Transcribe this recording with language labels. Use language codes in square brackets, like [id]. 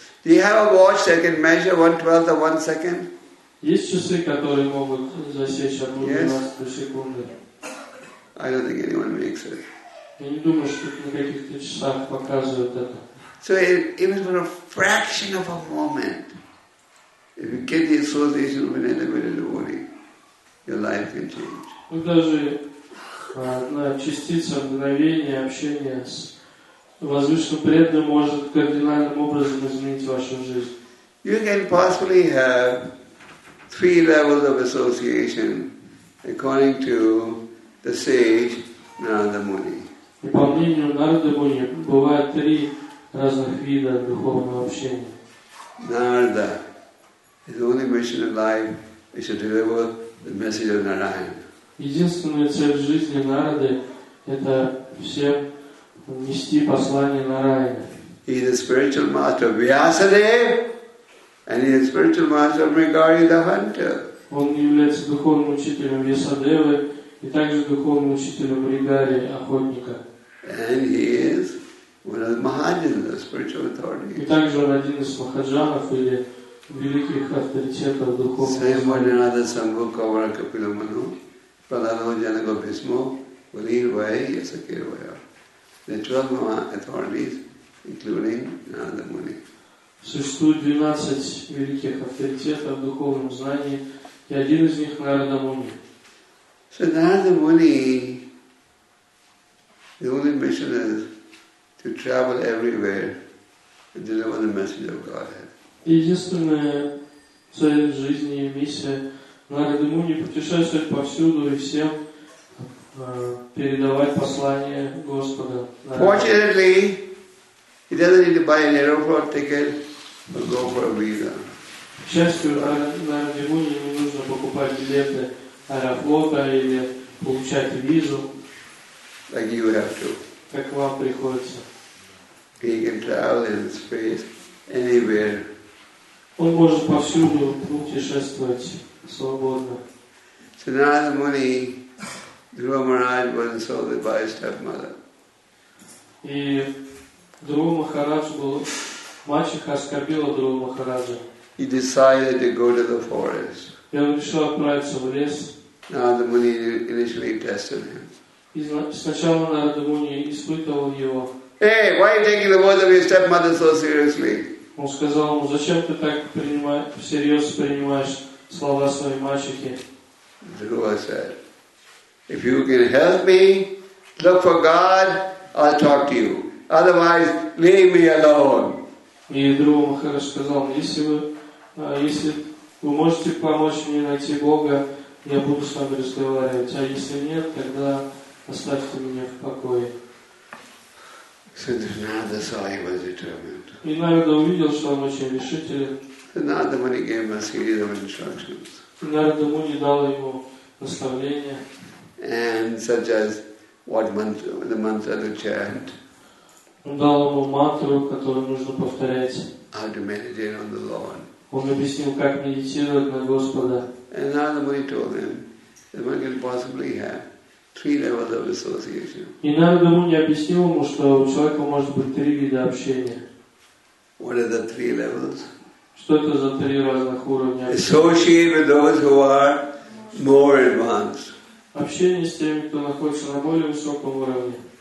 [en] Do you have a watch that can measure 1/12 of 1 second? [ru] Есть часы, которые могут засечь 1/12 секунды. [en] I don't think anyone makes it. [ru] Я не думаю, что на каких-то часах показывают это. [en] So even for a fraction of a moment, if you get the association of an elevated devotee, your life can change. [ru] Ну даже на частице мгновения общения с возвышенным преданным может кардинальным образом изменить вашу жизнь. [en] You can possibly have 3 levels of association according to the sage [ru] Нарада Муни. И по мнению Нарада Муни бывают три разных вида духовного общения. [en] Нарада is the only mission in life is to deliver the message of Narayan. [ru] Единственная цель жизни Нарады это всем нести послание Нараяна. [en] He is the spiritual master of Vyasadev, and he is the spiritual master of Mrigari the hunter. [ru] Он является духовным учителем Вьясадевы и также духовным учителем Мригари охотника. [en] And he is one of the Mahajans, the spiritual authority. [ru] И также он один из Махаджанов или великих авторитетов духовного. [en] Same Janagopismo, the 12 authorities, including Narada Muni. [ru] Существует 12 великих авторитетов в духовном знании, и один из них Нарада Муни. [en] So Narada Muni, the only mission is to travel everywhere and deliver the message of Godhead. [ru] Единственная цель жизни и миссия Нарада Муни путешествовать повсюду и всем передавать послание Господа. [en] Fortunately, he doesn't need to buy an airport ticket or go for a visa. [ru] К счастью, Нараде Муни не нужно покупать билеты аэрофлота или получать визу. [en] Like you have to. [ru] Как вам приходится. [en] He can travel in space anywhere. [ru] Он может повсюду путешествовать свободно. [en] So Нараде Муни, Dhruva Maharaj was insulted by his stepmother. [ru] И Dhruva Maharaj был мачеха оскорбила Dhruva Maharaja. [en] He decided to go to the forest. [ru] И он решил отправиться в лес. [en] Narada Muni initially tested him. [ru] И сначала Narada Muni испытывал его. [en] Hey, why are you taking the words of your stepmother so seriously? [ru] Он сказал ему, зачем ты так всерьез принимаешь слова своей мачехи? [en] Dhruva said, if you can help me, look for God, I'll talk to you. Otherwise, leave me alone. [ru] И Dhruva Maharaj сказал, если вы можете помочь мне найти Бога, я буду с вами разговаривать. А если нет, тогда оставьте меня в покое. [en] So Narada saw he was determined. [ru] И Нарада увидел, что он очень решителен. [en] So Narada Muni gave him a series of instructions. [ru] И Нарада Муни дал ему наставления. [en] And such as what mantra, the mantra to chant. [ru] Он дал ему мантру, которую нужно повторять. [en] How to meditate on the Lord. [ru] Он объяснил, как медитировать на Господа. [en] And Narada Muni told him that one can possibly have three levels of association. [ru] И Нарада Муни объяснил ему, что у человека может быть три вида общения. [en] What are the three levels? [ru] Что это за три разных уровня? [en] Associate with those who are more advanced. [ru] Общение с теми, кто находится на более высоком уровне.